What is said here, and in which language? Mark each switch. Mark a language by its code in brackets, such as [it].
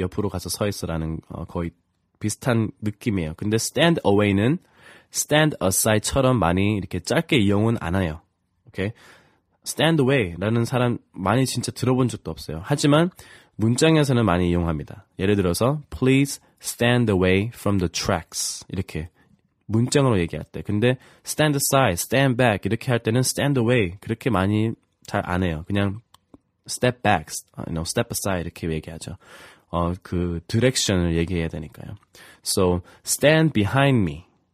[ko] 옆으로 가서 서 있어라는 거의 비슷한 느낌이에요. 근데 stand away는 stand aside처럼 많이 이렇게 짧게 이용은 안 해요. 오케이? Stand away라는 사람 많이 진짜 들어본 적도 없어요. 하지만 문장에서는 많이 이용합니다. 예를 들어서 [en] Please stand away from the tracks. [ko] 이렇게 문장으로 얘기할 때. 근데 stand aside, stand back 이렇게 할 때는 stand away 그렇게 많이 잘 안 해요. 그냥 [en] step back, you know, step aside [ko] 이렇게 얘기하죠. 그 direction을 얘기해야 되니까요. [en] So stand behind me.